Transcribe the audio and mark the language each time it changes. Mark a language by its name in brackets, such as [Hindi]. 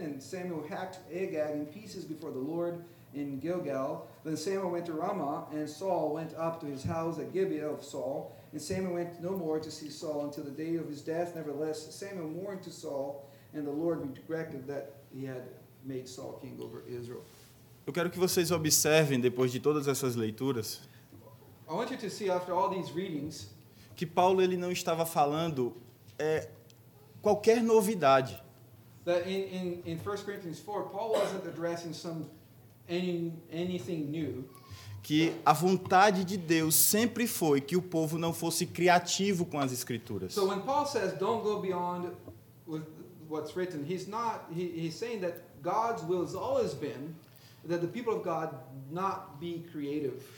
[English] And Samuel hacked Agag in pieces before the Lord in Gilgal. Then Samuel went to Ramah, and Saul went up to his house at Gibeah of Saul. And Samuel went no more to see Saul until the day of his death. Nevertheless, Samuel mourned to Saul, and the Lord regretted that he had made Saul king over Israel. [Portuguese] Eu quero que vocês observem, depois de todas essas leituras, [English] I want you to see, after all these readings, [Portuguese] que Paulo, ele não estava falando qualquer novidade. [English] That in 1 Corinthians 4, Paul wasn't addressing anything new. [Portuguese] Que a vontade de Deus sempre foi que o povo não fosse criativo com as escrituras. [English] So when Paul says don't go beyond what's written, he's saying that God's will has always been that the people of God not be creative.